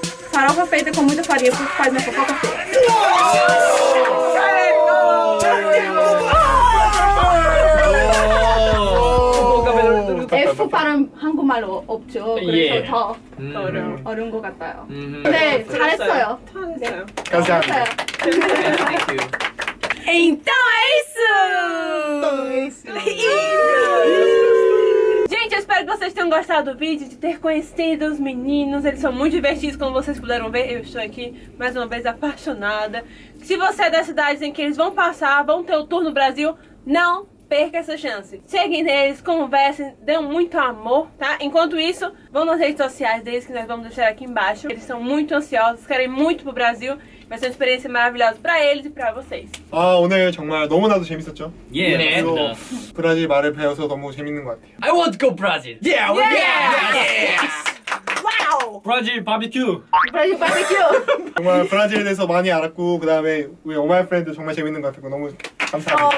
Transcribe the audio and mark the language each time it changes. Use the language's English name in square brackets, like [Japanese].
[Korean] 사랑과 페이트 con muita farinha por faz na fofoca. 파란 한국말로 없죠. 그래서 더 어려운 것 같아요. 네, 잘했어요. 잘했어요. 네. 감사합니다. [Portuguese] Então é isso. Gente, eu espero que vocês tenham gostado do vídeo, de ter conhecido os meninos. Eles são muito divertidos, como vocês puderam ver. Eu estou aqui, mais uma vez, apaixonada. Se você é das cidades em que eles vão passar, vão ter o tour no Brasil, não perca essa chance. Cheguem neles, conversem, dêem muito amor, tá? Enquanto isso, vão nas redes sociais deles, que nós vamos deixar aqui embaixo. Eles são muito ansiosos, querem muito pro Brasil. Vai ser uma experiência maravilhosa pra eles e pra vocês. [Korean] Ah, 오늘 정말 너무나도 재밌었죠? Yeah, 네. 브라질 말을 배워서 너무 재밌는 것 같아요. [English] I want to go Brazil! Yeah! Yeah! Yes! Wow! Brazil barbecue! Brazil barbecue! [Korean] 정말 브라질에 대해서 많이 알았고, 그 다음에 우리 Oh My Friend 정말 재밌는 것 같고 너무 감사합니다.